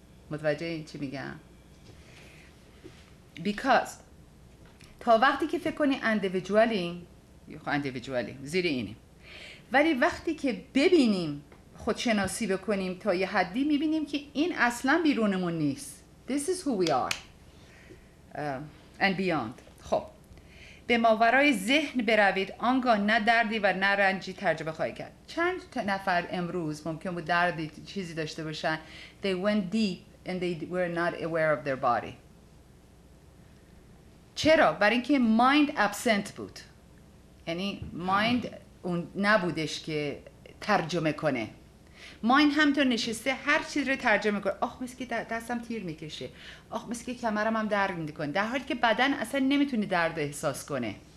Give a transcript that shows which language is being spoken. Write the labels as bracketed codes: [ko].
[fa] متوجه این چی میگم؟ [en] Because [fa] تا وقتی که فکر کنی اندیویجوالی زیر اینه، ولی وقتی که ببینیم، خودشناسی بکنیم تا یه حدی، میبینیم که این اصلا بیرونمون نیست. [en] This is who we are and beyond. [fa] خب به ماورای ذهن بروید، آنگاه نه دردی و نه رنجی تجربه خواهی کرد. چند نفر امروز ممکن بود دردی چیزی داشته باشن. [en] They went deep and they were not aware of their body. [fa] چرا؟ برای اینکه مایند ابسنت بود، یعنی مایند اون نبودش که ترجمه کنه. مایند همطور نشسته هر چیز رو ترجمه کنه. آخ مثل که دستم تیر میکشه، آخ مثل که کمرم هم درد میکنه، در حالی که بدن اصلا نمیتونه درد احساس کنه.